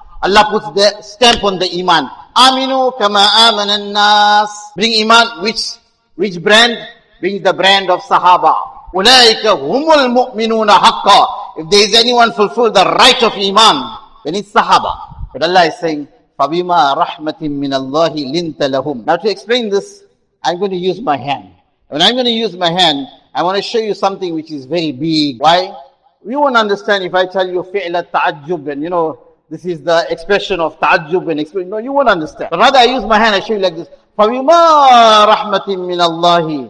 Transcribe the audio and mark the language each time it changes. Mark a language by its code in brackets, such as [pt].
[en] Allah puts the stamp on the iman. [ar] Aminu kama amana an-nas. [en] Bring iman, which brand? Bring the brand of Sahaba. [ar] أُولَٰئِكَ هُمُ الْمُؤْمِنُونَ حَقَّ. [en] If there is anyone fulfill the right of iman, then it's Sahaba. But Allah is saying, [ar] فَبِمَا رَحْمَةٍ مِّنَ اللَّهِ لِنْتَ لَهُمْ. [en] Now to explain this, I'm going to use my hand. When I'm going to use my hand, I want to show you something which is very big. Why? You won't understand if I tell you فِعْلَ التَّعَجُّبْ. And you know, this is the expression of تَعَجُّبْ and expression. No, you won't understand. But rather I use my hand, I show you like this. [ar] فَبِمَا رَحْمَةٍ مِّنَ اللَّهِ.